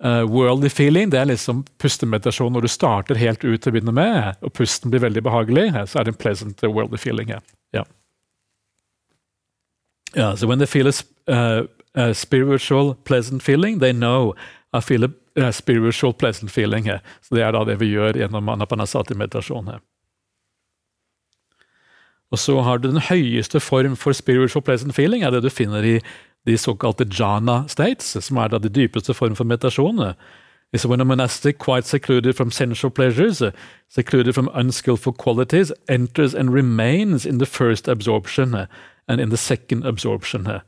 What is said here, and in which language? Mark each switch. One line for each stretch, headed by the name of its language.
Norwegian: Worldly feeling, det liksom pustemeditasjon når du starter helt ut til å begynne med, og pusten blir veldig behagelig, så det en
English: pleasant worldly feeling. Yeah, so when they feel a spiritual pleasant feeling, they know I feel a spiritual pleasant feeling.
Norwegian: Så det da det vi gjør gjennom Anapanasati meditasjon. Og så har du den høyeste form for
English: spiritual pleasant feeling,
Norwegian: det du finner i de såkalte jhana states, som da de dypeste formen for meditasjon.
English: It's when a monastic, quite secluded from sensual pleasures, secluded from unskillful qualities, enters and remains in the first absorption and in the second absorption.